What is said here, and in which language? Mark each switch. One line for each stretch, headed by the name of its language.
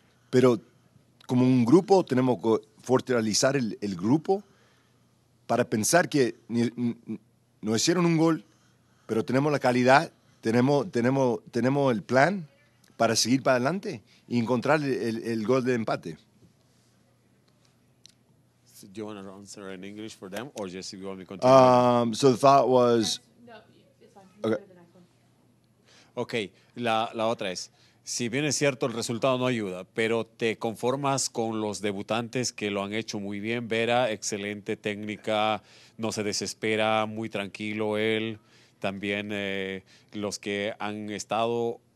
Spanish: Pero como un grupo, tenemos que fortalecer el grupo para pensar que nos hicieron un gol, pero tenemos la calidad, tenemos el plan para seguir para adelante y encontrar el gol de empate.
English: So do you want to answer in English for them, or just if you want me to continue? So the thought was... Okay.
Spanish: La otra es, si bien es cierto, el resultado no ayuda, pero te conformas con los debutantes que lo han hecho muy bien. Vera, excelente técnica, no se desespera, muy tranquilo él. También los que han estado...